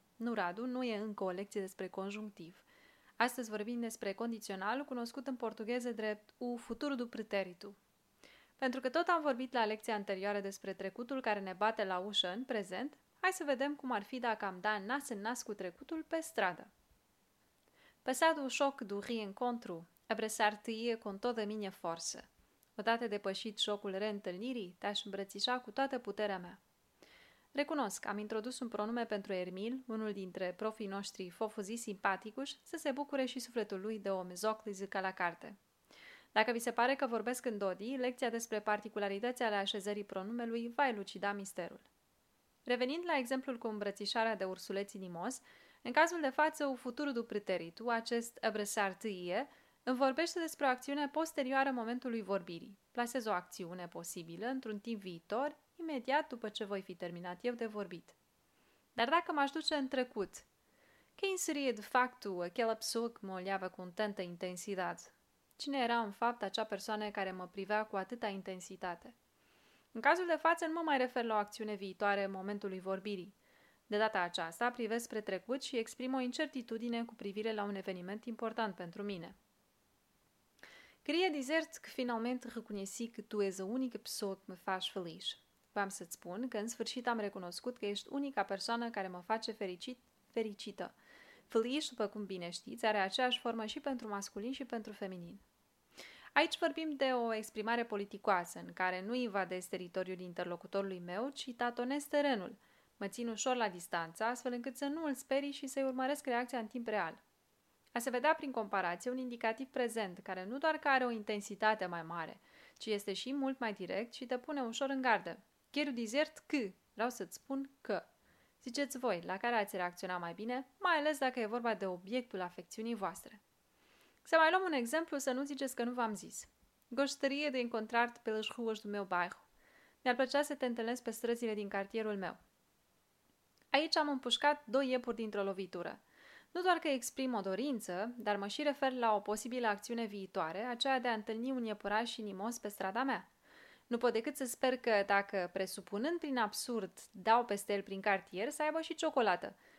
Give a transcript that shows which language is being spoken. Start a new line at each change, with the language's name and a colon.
Romanian: Nu, Radu, nu e încă o lecție despre conjunctiv. Astăzi vorbim despre condiționalul cunoscut în portugheză drept o futuro do pretérito. Pentru că tot am vorbit la lecția anterioară despre trecutul care ne bate la ușă în prezent, hai să vedem cum ar fi dacă am da nas în nas cu trecutul pe stradă.
Portuguese: Passado o choque do reencontro, abraçar-te-ia com toda a minha força.
Romanian: Odată depășit șocul reîntâlnirii, te-aș îmbrățișa cu toată puterea mea. Recunosc, am introdus un pronume pentru Ermil, unul dintre profii noștri fofuzii simpaticuși, să se bucure și sufletul lui de om zoclizi ca la carte. Dacă vi se pare că vorbesc în dodii, lecția despre particularități ale așezării pronumelui va elucida misterul. Revenind la exemplul cu îmbrățișarea de ursuleț inimos, în cazul de față, o futuro do pretérito, acest abraçar-te-ia, îmi vorbește despre o acțiune posterioară momentului vorbirii. Placez o acțiune posibilă într-un timp viitor, imediat după ce voi fi terminat eu de vorbit. Dar dacă m-aș duce în trecut,
Portuguese: que inseria de facto aquela pessoa que me olhava com tanta intensidade?
Romanian: Cine era în fapt acea persoană care mă privea cu atâta intensitate? În cazul de față nu mă mai refer la o acțiune viitoare momentului vorbirii. De data aceasta privesc spre trecut și exprim o incertitudine cu privire la un eveniment important pentru mine.
Portuguese: Queria dizer-te que finalmente reconheci que tu és a única pessoa que me faz feliz.
Romanian: Vam să-ți spun că în sfârșit am recunoscut că ești unica persoană care mă face fericită. Feliz, după cum bine știți, are aceeași formă și pentru masculin și pentru feminin. Aici vorbim de o exprimare politicoasă în care nu invadez teritoriul interlocutorului meu, ci tatonez terenul. Mă țin ușor la distanță, astfel încât să nu îl sperii și să-i urmăresc reacția în timp real. A se vedea prin comparație un indicativ prezent, care nu doar că are o intensitate mai mare, ci este și mult mai direct și te pune ușor în gardă.
Portuguese: Quero dizer-te que,
Romanian: vreau să-ți spun că. Ziceți voi, la care ați reacționa mai bine, mai ales dacă e vorba de obiectul afecțiunii voastre. Să mai luăm un exemplu să nu ziceți că nu v-am zis.
Portuguese: Gostaria de encontrar-te pelas ruas do meu bairro.
Romanian: Mi-ar plăcea să te întâlnesc pe străzile din cartierul meu. Aici am împușcat doi iepuri dintr-o lovitură. Nu doar că exprim o dorință, dar mă și refer la o posibilă acțiune viitoare, aceea de a întâlni un iepuraș inimos pe strada mea. Nu pot decât să sper că dacă, presupunând prin absurd, dau peste el prin cartier, să aibă și ciocolată.